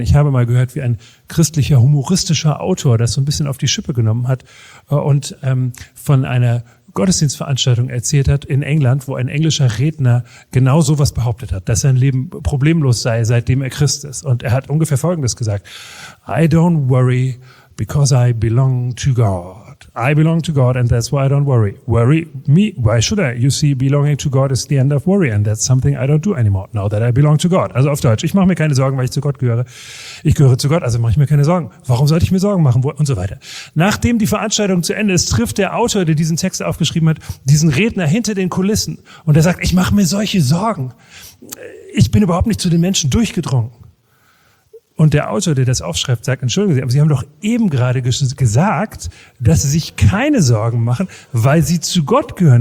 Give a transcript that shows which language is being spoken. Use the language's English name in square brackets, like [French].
[German] Ich habe mal gehört, wie ein christlicher humoristischer Autor das so ein bisschen auf die Schippe genommen hat und von einer Gottesdienstveranstaltung erzählt hat in England, wo ein englischer Redner genau sowas behauptet hat, dass sein Leben problemlos sei, seitdem er Christ ist. Und er hat ungefähr Folgendes gesagt. [English] I don't worry because I belong to God. I belong to God and that's why I don't worry. Worry me? Why should I? You see, belonging to God is the end of worry and that's something I don't do anymore now that I belong to God. [German] Also auf Deutsch, ich mache mir keine Sorgen, weil ich zu Gott gehöre. Ich gehöre zu Gott, also mache ich mir keine Sorgen. Warum sollte ich mir Sorgen machen? Und so weiter. Nachdem die Veranstaltung zu Ende ist, trifft der Autor, der diesen Text aufgeschrieben hat, diesen Redner hinter den Kulissen und er sagt, ich mache mir solche Sorgen. Ich bin überhaupt nicht zu den Menschen durchgedrungen. Und der Autor, der das aufschreibt, sagt, entschuldigen Sie, aber Sie haben doch eben gerade gesagt, dass Sie sich keine Sorgen machen, weil Sie zu Gott gehören.